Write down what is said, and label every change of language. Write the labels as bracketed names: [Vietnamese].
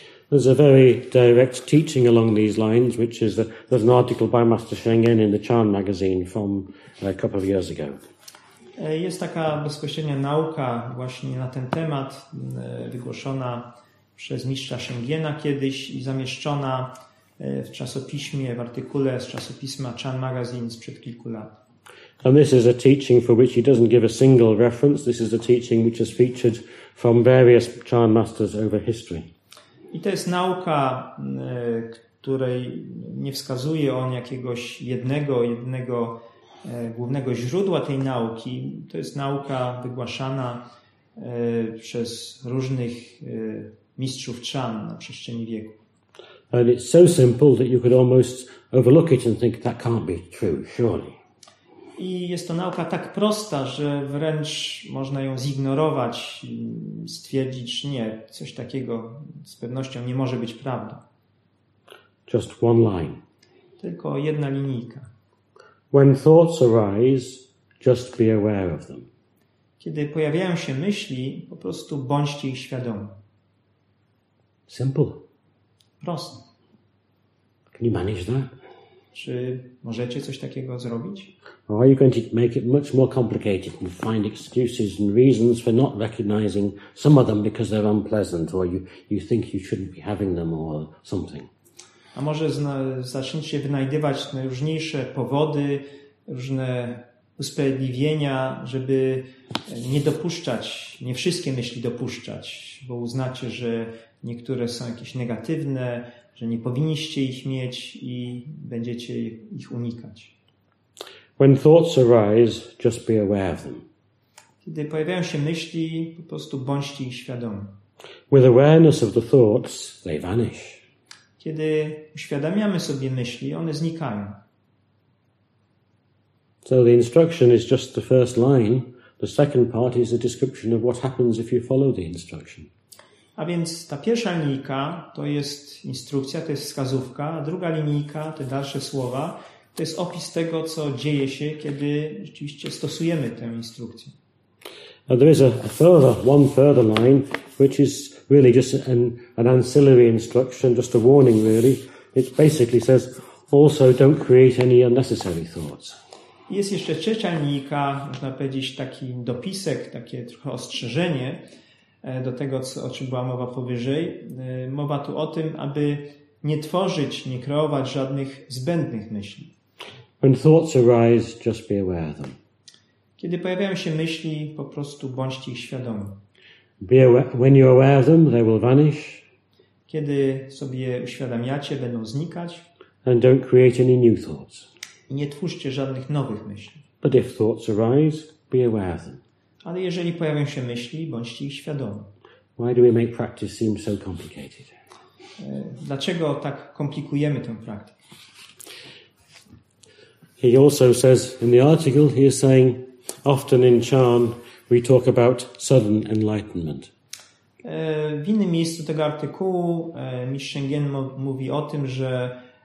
[English] There's a very direct teaching along these lines, which is that there's an article by Master Shengen in the Chan magazine from a couple of years ago. [Polish] Jest taka bezpośrednia nauka właśnie na ten temat, wygłoszona przez mistrza Shengena kiedyś i zamieszczona w czasopiśmie, w artykule z czasopisma Chan Magazine sprzed kilku lat. [English] And this is a teaching for which he doesn't give a single reference. This is a teaching which has featured from various Chan masters over history. [Polish] I to jest nauka, której nie wskazuje on jakiegoś jednego głównego źródła tej nauki. To jest nauka wygłaszana przez różnych mistrzów Chan na przestrzeni wieku. [English] And it's so simple that you could almost overlook it and think that can't be true, surely. [Polish] I jest to nauka tak prosta, że wręcz można ją zignorować, stwierdzić, nie, coś takiego z pewnością nie może być prawdą. [English] Just one line. [Polish] Tylko jedna linijka. [English] When thoughts arise, just be aware of them. [Polish] Kiedy pojawiają się myśli, po prostu bądźcie ich świadomi. [English] Simple. [Polish] Proste. [English] Can you manage that? [Polish] Czy możecie coś takiego zrobić? [English] Or are you going to make it much more complicated and find excuses and reasons for not recognizing some of them because they're unpleasant or you think you shouldn't be having them or something? [Polish] A może zaczniecie wynajdywać najróżniejsze powody, różne usprawiedliwienia, żeby nie dopuszczać, nie wszystkie myśli dopuszczać, bo uznacie, że niektóre są jakieś negatywne, że nie powinniście ich mieć i będziecie ich unikać. [English] When thoughts arise, just be aware of them. [Polish] Kiedy pojawiają się myśli, po prostu bądźcie ich świadomi. [English] With awareness of the thoughts, they vanish. [Polish] Kiedy uświadamiamy sobie myśli, one znikają. [English] So the instruction is just the first line. The second part is a description of what happens if you follow the instruction. [Polish] A więc ta pierwsza linijka to jest instrukcja, to jest wskazówka, a druga linijka, te dalsze słowa, to jest opis tego, co dzieje się, kiedy rzeczywiście stosujemy tę instrukcję. [English] Now there is one further line, which is really just an ancillary instruction, just a warning really. It basically says, also don't create any unnecessary thoughts. [Polish] Jest jeszcze trzecia linijka, można powiedzieć taki dopisek, takie trochę ostrzeżenie do tego, o czym była mowa powyżej. Mowa tu o tym, aby nie tworzyć, nie kreować żadnych zbędnych myśli. [English] When thoughts arise, just be aware of them. [Polish] Kiedy pojawiają się myśli, po prostu bądźcie ich świadomi. [English] When you're aware of them, they will vanish. [Polish] Kiedy sobie uświadamiacie, będą znikać. [English] And don't create any new thoughts. [Polish] I nie twórzcie żadnych nowych myśli. [English] But if thoughts arise, be aware of them. [Polish] Ale jeżeli pojawią się myśli, bądźcie ich świadomi. [English] Why do we make practice seem so complicated? [Polish] Dlaczego tak komplikujemy tę praktykę? [English] He also says in the article, he is saying, often in Chan we talk about sudden enlightenment. [Polish] W innym miejscu tego artykułu mistrz Shengen mówi o tym, że